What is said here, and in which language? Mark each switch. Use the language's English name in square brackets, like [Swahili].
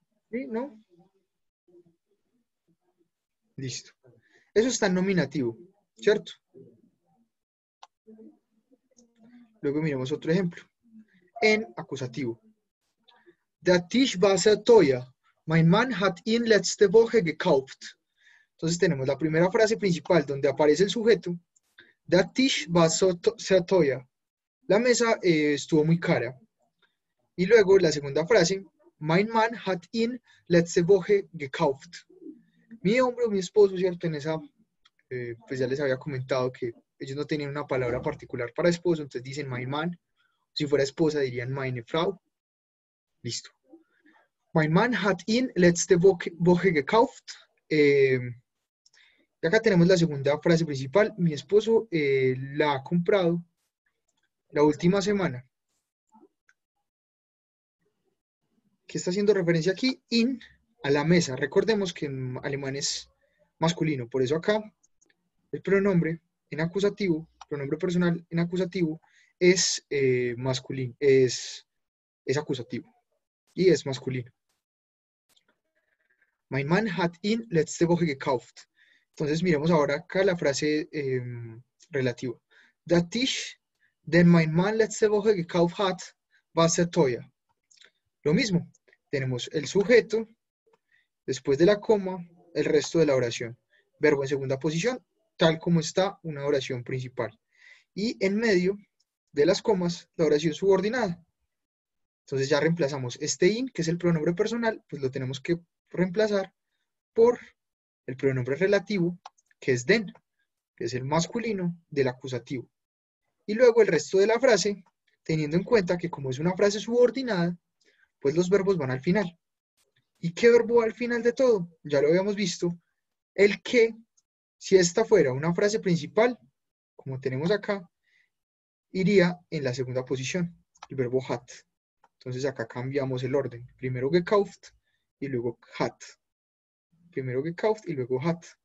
[Spanish] Sí, ¿no? Listo. Eso está en nominativo, ¿cierto? Luego miramos otro ejemplo. En acusativo. [German] Der Tisch war sehr teuer. Mein Mann hat ihn letzte Woche gekauft. [Spanish] Entonces tenemos la primera frase principal donde aparece el sujeto. [German] Der Tisch war sehr teuer. [Spanish] La mesa estuvo muy cara. Y luego la segunda frase. [German] Mein Mann hat ihn letzte Woche gekauft. [Spanish] Mi hombre o mi esposo, ¿cierto? En esa, pues ya les había comentado que ellos no tenían una palabra particular para esposo, entonces dicen mein Mann. Si fuera esposa, dirían meine Frau. Listo. [German] Mein Mann hat ihn letzte Woche gekauft. [Spanish] Y acá tenemos la segunda frase principal. Mi esposo la ha comprado la última semana. ¿Qué está haciendo referencia aquí? In, a la mesa. Recordemos que en alemán es masculino. Por eso acá el pronombre en acusativo, pronombre personal en acusativo, es masculino, es acusativo. Y es masculino. [German] Mein Mann hat ihn letzte Woche gekauft. [Spanish] Entonces, miremos ahora acá la frase relativa. [German] Der Tisch, den mein Mann letzte Woche gekauft hat, war sehr teuer. [Spanish] Lo mismo. Tenemos el sujeto, después de la coma, el resto de la oración. Verbo en segunda posición, tal como está una oración principal. Y en medio de las comas, la oración subordinada. Entonces ya reemplazamos este in, que es el pronombre personal, pues lo tenemos que reemplazar por el pronombre relativo, que es den, que es el masculino del acusativo. Y luego el resto de la frase, teniendo en cuenta que como es una frase subordinada, pues los verbos van al final. ¿Y qué verbo va al final de todo? Ya lo habíamos visto. El que, si esta fuera una frase principal, como tenemos acá, iría en la segunda posición, el verbo hat. Entonces acá cambiamos el orden. Primero gekauft y luego hat. Primero gekauft y luego hat.